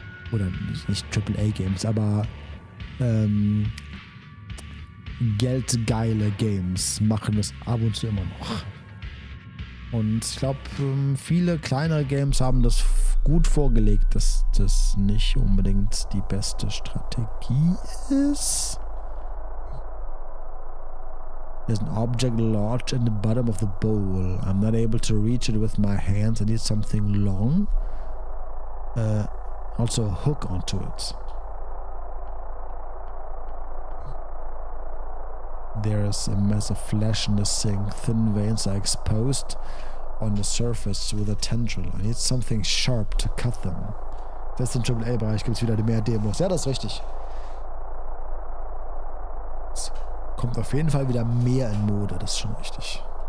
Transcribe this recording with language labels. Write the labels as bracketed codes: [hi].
[de] Oder nicht AAA-Games, aber geldgeile Games machen das ab und zu immer noch. Und ich glaube, viele kleinere Games haben das gut vorgelegt, dass das nicht unbedingt die beste Strategie ist. [en] There's an object lodged in the bottom of the bowl. I'm not able to reach it with my hands. I need something long. Also a hook onto it. There is a mess of flesh in the sink. Thin veins are exposed on the surface with a tendril. I need something sharp to cut them. [de] Das ist im AAA-Bereich, gibt es wieder mehr Demos. Ja, das ist richtig. Es kommt auf jeden Fall wieder mehr in Mode, das ist schon richtig.